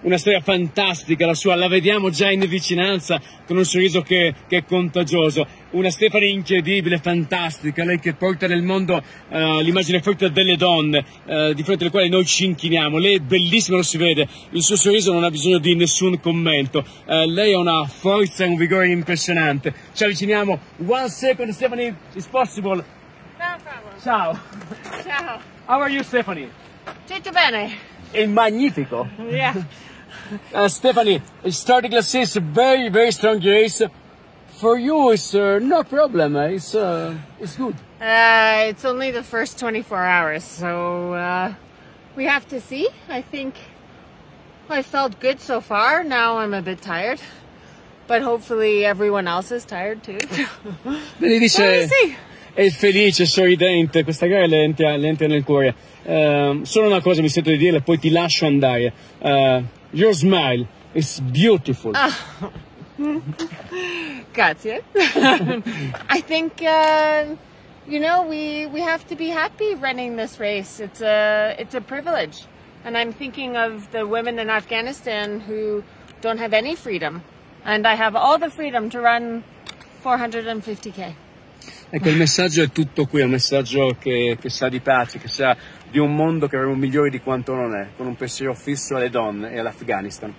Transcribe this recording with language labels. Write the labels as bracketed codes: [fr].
[it] Una storia fantastica la sua, la vediamo già in vicinanza con un sorriso che è contagioso. Una Stefani incredibile, fantastica, lei che porta nel mondo l'immagine forte delle donne di fronte alle quali noi ci inchiniamo. Lei è bellissima, lo si vede, il suo sorriso non ha bisogno di nessun commento. Lei ha una forza e un vigore impressionante. Ci avviciniamo. [en] One second, Stefani, it's possible. [it] Ciao. Ciao. [en] How are you, Stefani? [it] Tutto bene. È magnifico. [en] Yeah. Stefani, starting class is very, very strong race. For you, it's no problem. It's good. It's only the first 24 hours, so we have to see. I think I felt good so far. Now I'm a bit tired, but hopefully everyone else is tired too. [it] Lei [en] But [it] dice, [en] we'll see. [it] è felice, sorridente, questa gara le entra nel cuore. Solo una cosa mi sento di dirle, poi ti lascio andare. [en] Your smile is beautiful. [it] Grazie. [en] I think we have to be happy running this race. It's a privilege. And I'm thinking of the women in Afghanistan who don't have any freedom. And I have all the freedom to run 450K. [it] Ecco, il messaggio è tutto qui, è un messaggio che sa di pace, che sa di un mondo che avremo migliore di quanto non è, con un pensiero fisso alle donne e all'Afghanistan.